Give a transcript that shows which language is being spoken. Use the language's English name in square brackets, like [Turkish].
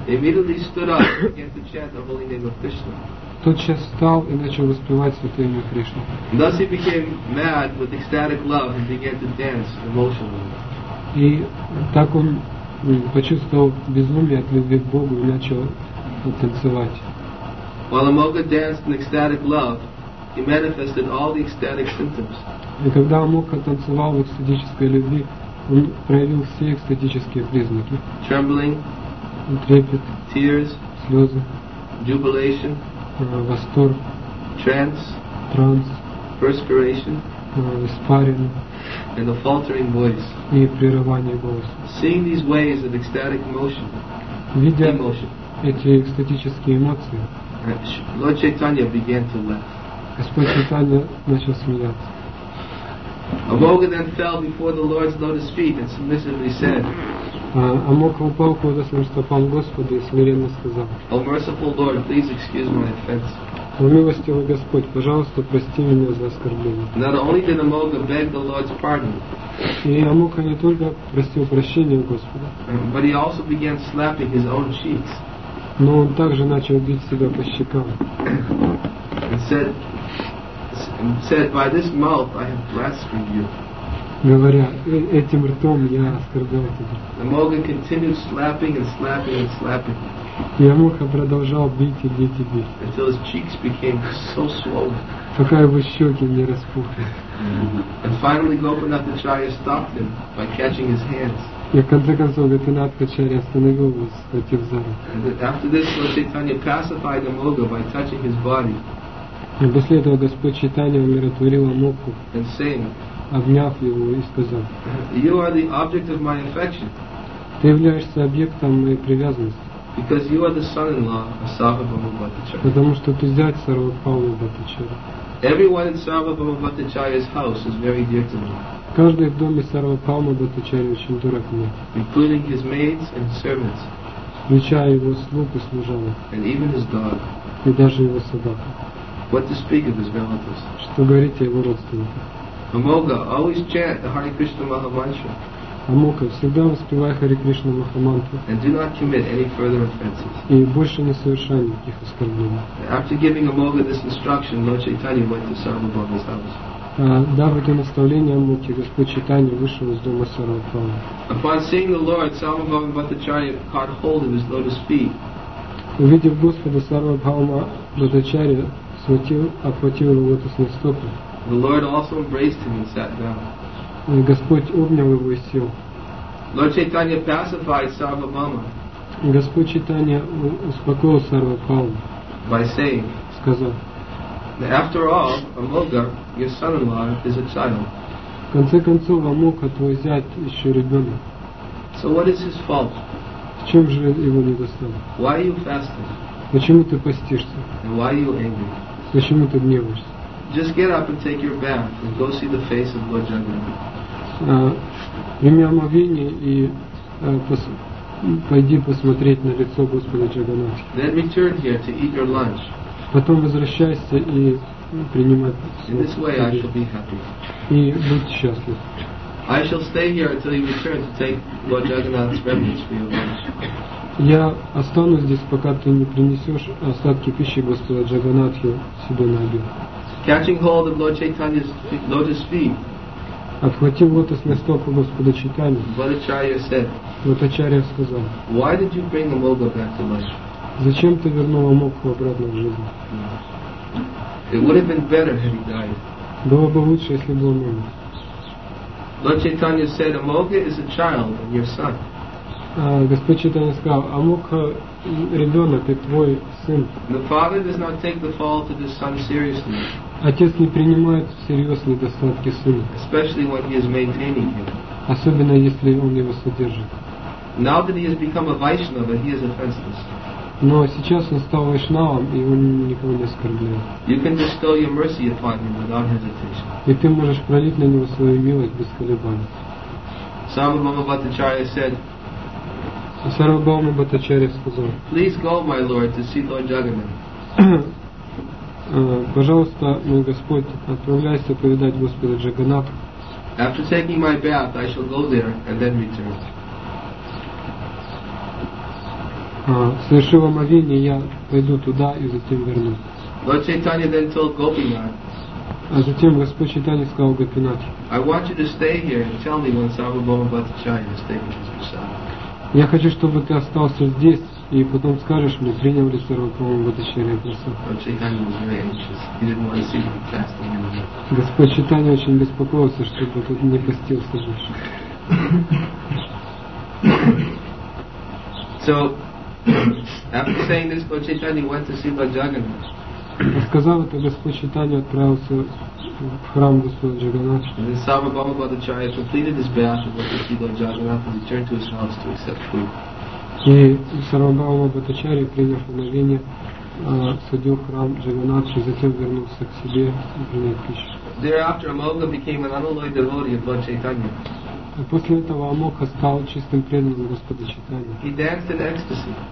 [English] immediately stood up and began to chant the holy name of Krishna. [Russian] Тот сейчас встал и начал воспевать Святое имя Кришны. [English] Thus he became mad with ecstatic love and began to dance emotionally. [Russian] И так он почувствовал безумие от любви к Богу и начал танцевать. [English] While Mokha danced in ecstatic love, he manifested all the ecstatic symptoms. [Russian] И когда Мокха танцевал в экстатической любви, он проявил все экстатические признаки. [English] Trembling, [Russian] трепет, [English] tears, [Russian] слезы, [English] jubilation, [Russian] восторг, [English] trance, [Russian] транс, [English] perspiration, [Russian] испарение, [English] and a faltering voice. [Russian] И прерывание голоса. [English] Seeing these waves of ecstatic emotion, [Russian] видя эти экстатические эмоции, [English] Lord Chaitanya began to laugh. [Russian] Господь Чайтанья начал смеяться. [English] Amogha then fell before the Lord's lotus feet and submissively said, [Russian] Amogha упал к лотосным стопам Господа и смиренно сказал, [English] O merciful Lord, please excuse my offense. [Russian] О милостивый Господь, пожалуйста, прости меня за оскорбление. [English] Not only did Amogha beg the Lord's pardon, [Russian] и Амокха не только просил прощения у Господа, [English] but he also began slapping his own cheeks. [Russian] Но он также начал бить себя по щекам. [English] And said, by this mouth I have blasphemed you. [Russian] Говоря, этим ртом я оскорбил тебя. [English] Amogha continued slapping and slapping and slapping. [Russian] И Амокха продолжал бить и бить и бить. [English] Until his cheeks became so swollen. [Russian] Пока его щеки не распухли. [English] And finally Gopinath Acharya stopped him by catching his hands. [Russian] И в конце концов Гопинат Качарья остановил его, схватив за руку. [English] After this, Lord Chaitanya pacified Amogha by touching his body. [Russian] И после этого Господь Чайтанья умиротворил Амокху, [English] and saying, [Russian] обняв его и сказал, [English] you are the object of my affection. [Russian] Ты являешься объектом моей привязанности. [English] Because you are the son-in-law of Sarvabhauma Bhattacharya. [Russian] Потому что ты зять Сарвабхаумы Бхаттачарьи. [English] Everyone in Sarvabhauma Bhattacharya's house is very dear to me. [Russian] Каждый в доме Сарвабхаумы Бхаттачарьи очень дорог мне. [English] Including his maids and servants. [Russian] Включая его слуг и служанок. [English] And even his dog. [Russian] И даже его собаку. [English] What to speak of his relatives? [Russian] Что говорить о его родственниках? [English] Amogha, always chant the Hare Krishna Maha Mantra. [Russian] Амокха, всегда воспевай Хари Кришна Махамантру. [English] And do not commit any further offenses. [Russian] И больше не совершай никаких оскорблений. [English] After giving Amogha this instruction, Lord Chaitanya went to Sarvabhauma's house. [Russian] Дав это наставление Амокхе, Господь Чайтанья вышел из дома Сарвабхаумы. [English] Upon seeing the Lord, Sarvabhauma Bhattacharya caught hold of his lotus feet. [Russian] Увидев Господа, Сарвабхаума Бхаттачарья схватил, охватил его лотосные стопы. [English] The Lord also embraced him and sat down. [Russian] И Господь обнял его и сел. [English] Lord Chaitanya pacified Sarvabhauma. [Russian] Господь Чайтанья успокоил Сарвабхауму. [English] By saying, [Russian] сказал, [English] after all, Amogha, your son-in-law, is a child. [Russian] В конце концов, Амокха, твой зять, еще ребенок. [English] So what is his fault? [Russian] В чем же его недостаток? [English] Why are you fasting? [Russian] Почему ты постишься? [English] And why are you angry? [Russian] Почему ты гневаешься? [English] Just get up and take your bath and go see the face of Lord Jagannath. [Russian] Прими омовение и пойди посмотреть на лицо Господа Джаганнатха. [English] Then return here to eat your lunch. [Russian] Потом возвращайся и принимай. [English] In this way I shall be happy. [Russian] И будь счастлив. [English] I shall stay here until you return to take Lord Jagannath's remnants for your lunch. [Russian] Я останусь здесь, пока ты не принесешь остатки пищи Господа Джаганнатха себе на обед. [English] Catching hold of Lord Chaitanya's lotus feet. [Russian] Отхватив лотосные стопы Господа Чайтанья. [English] Bhattacharya said. [Russian] Bhattacharya сказал. [English] Why did you bring Amogha back to life? [Russian] Зачем ты вернул Амокху обратно в жизнь? [English] It would have been better had he died. [Russian] Было бы лучше, если бы он умер. [English] Lord Chaitanya said, Amogha is a child and your son. [Russian] Господь Чайтанья сказал, Амокха ребенок и твой сын. [English] The father does not take the fault of his son seriously. [Russian] Отец не принимает всерьез недостатки сына. [English] Especially when he is maintaining him. [Russian] Особенно если он его содержит. [English] Now that he has become a Vaishnava, he is offenseless. [Russian] Но сейчас он стал вайшнавом, и его никого не оскорбляет. [English] You can bestow your mercy upon him without hesitation. [Russian] И ты можешь пролить на него свою милость без колебаний. [English] Sarvabhauma Bhattacharya said. [Russian] Sarvabhauma Bhattacharya сказал. [English] Please go, my lord, to see Lord Jagannath. [Russian] Пожалуйста, мой господь, отправляйся повидать господа Джаганнатха. [English] After taking my bath, I shall go there and then return. [Russian] Совершив омовение, я пойду туда и затем вернусь. [English] Lord Chaitanya then told Gopinath. [Russian] А затем Господь Чайтанья сказал Гопинатху. [English] I want you to stay here and tell me when Sarvabhauma Bhattacharya is taking his prasad. [Russian] Я хочу, чтобы ты остался здесь и потом скажешь мне, принял ли Сарвабхаума Бхаттачарья прасад. [English] Lord Chaitanya was very anxious. He didn't want to see him fasting anymore. [Russian] Господь Чайтанья очень беспокоился, чтобы тут не постился же. [English] So, after saying this, Lord Chaitanya went to see Lord Jagannath. [Russian] Сказав это, Господь Чайтанья отправился в храм Господа Джаганатха. [English] And then Sarvabhauma Bhattacharya completed his bath and went to see Lord Jagannath and returned to his house to accept food. [Russian] И Сарвабхаума Бхаттачарья, приняв омовение, садил храм Джаганатха и затем вернулся к себе и принял пищу. [English] Thereafter, Amogha became an unalloyed devotee of Lord Chaitanya. [Russian] После этого Амокха стал чистым преданным Господа Чайтанья. [English] He danced in ecstasy.